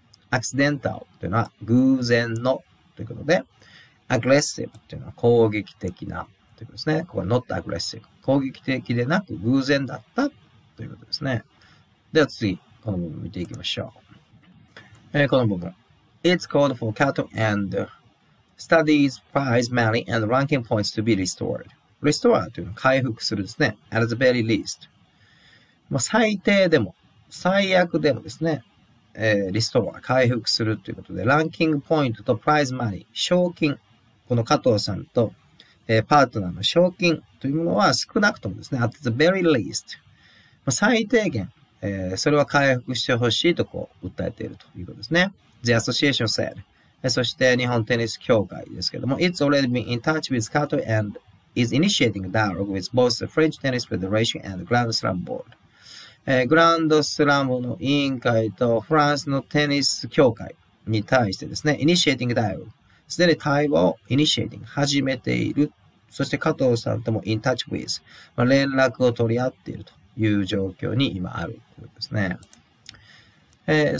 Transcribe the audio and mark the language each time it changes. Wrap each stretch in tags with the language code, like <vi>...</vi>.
<ja>accidental というのは偶然のということで、aggressive というのは攻撃的なということですね。ここは</ja> <en>not aggressive。</en> <ja>攻撃的でなく偶然だったということですね。では次、この部分見ていきましょう。この部分。</ja> <en>It's called for cattle and studies prize money and ranking points to be restored.</en> <ja>Restore というのは回復するですね。</ja> <en>At the very least。</en> <ja>まあ、最低でも、最悪でもですね。リストア、回復するということで、ランキングポイントとプライズマニー、賞金、この加藤さんと、パートナーの賞金というものは少なくともですね、</ja> <en>at the very least、</en> <ja>最低限、それは回復してほしいとこう訴えているということですね。</ja> <en>The association said、</en> <ja>そして日本テニス協会ですけども、</ja> <en>It's already been in touch with Kato and is initiating a dialogue with both the French Tennis Federation and the Grand Slam Board.</en> <ja>グランドスラムの委員会とフランスのテニス協会に対してですね、イニシエイティングダイオ、すでに対話をイニシエイティング始めている。そして加藤さんともインタッチウィズ、まあ、連絡を取り合っているという状況に今あるということですね。</ja>